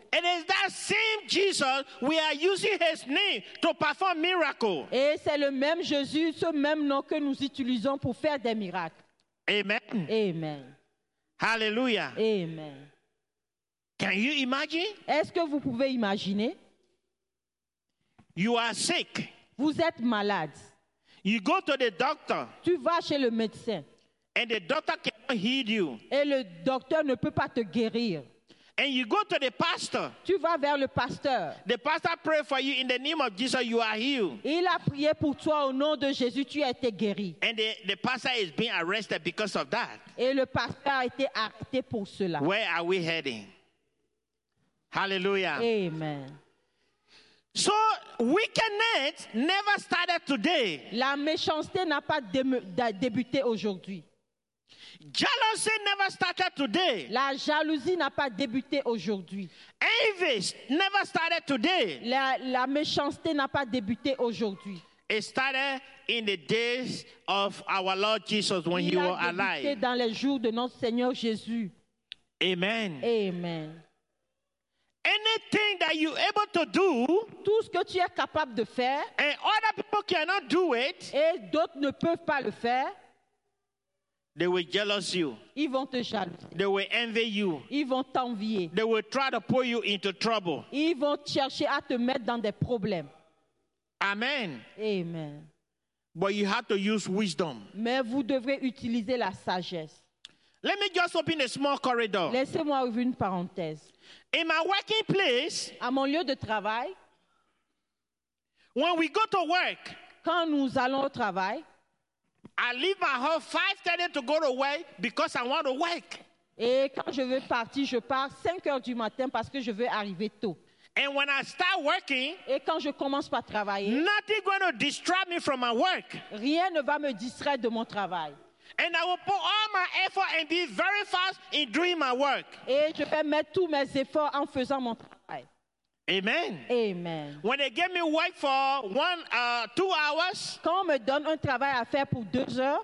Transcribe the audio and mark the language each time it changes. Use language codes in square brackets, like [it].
[en] And it's that same Jesus we are using his name to perform miracles. [fr] Et c'est le même Jésus, ce même nom que nous utilisons pour faire des miracles. [en] Amen. Amen. Hallelujah. Amen. Can you imagine? [fr] Est-ce que vous pouvez imaginer? [en] You are sick. [fr] Vous êtes malade. [en] You go to the doctor. [fr] Tu vas chez le médecin. [en] And the doctor cannot heal you. [fr] Et le docteur ne peut pas te guérir. [en] And you go to the pastor. [fr] Tu vas vers le pasteur. [en] The pastor prays for you in the name of Jesus, you are healed. [fr] Il a prié pour toi au nom de Jésus, tu as été guéri. [en] And the pastor is being arrested because of that. [fr] Et le pasteur a été arrêté pour cela. [en] Where are we heading? Hallelujah. Amen. So wickedness never started today. [fr] La méchanceté n'a pas débuté aujourd'hui. [en] Jealousy never started today. [fr] La jalousie n'a pas débuté aujourd'hui. [en] Envy never started today. [fr] La méchanceté n'a pas débuté aujourd'hui. [en] It started in the days of our Lord Jesus when he was alive. [fr] Dans les jours de notre Seigneur Jésus. [en] Amen. Amen. Anything that you're able to do, [fr] tout ce que tu es capable de faire, [en] and other people cannot do it, [fr] et d'autres ne peuvent pas le faire, [en] they will jealous you. [fr] Ils vont te jalouser. [en] They will envy you. [fr] Ils vont t'envier. [en] They will try to pull you into trouble. [fr] Ils vont chercher à te mettre dans des problèmes. [en] Amen. Amen. But you have to use wisdom. [fr] Mais vous devrez utiliser la sagesse. [en] Let me just open a small corridor. [fr] Laissez-moi ouvrir une parenthèse. [en] In my working place, [fr] à mon lieu de travail, [en] when we go to work, [fr] quand nous allons au travail, [en] I leave my home 5:30 to go to work because I want to work. [fr] Et quand je veux partir, je pars 5 heures du matin parce que je veux arriver tôt. [en] And when I start working, [fr] et quand je commence par travailler, [en] nothing going to distract me from my work. [fr] Rien ne va me distraire de mon travail. [en] And I will put all my effort and be very fast in doing my work. [fr] Et je vais mettre tous mes efforts en faisant mon travail. [en] Amen. Amen. When they give me work for 2 hours, [fr] quand on me donne un travail à faire pour 2 heures,